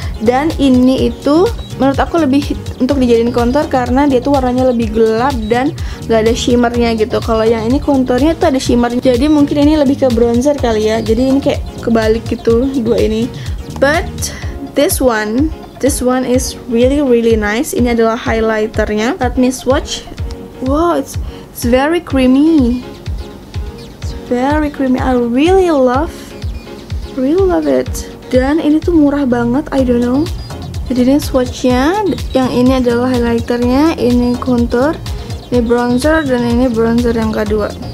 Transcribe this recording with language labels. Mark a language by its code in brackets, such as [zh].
[id] Dan ini itu menurut aku lebih untuk dijadiin contour karena dia tuh warnanya lebih gelap dan gak ada shimmernya gitu. Kalau yang ini contournya tuh ada shimmer, jadi mungkin ini lebih ke bronzer kali ya. Jadi ini kayak kebalik gitu dua ini. [en] But this one This one is really really nice. [id] Ini adalah highlighternya. [en] Let me swatch. Wow, it's very creamy. It's very creamy. I really love it. [id] Dan ini tuh murah banget. [en] I don't know. [id] Jadi ini swatchnya. Yang ini adalah highlighternya. Ini contour. Ini bronzer dan ini bronzer yang kedua.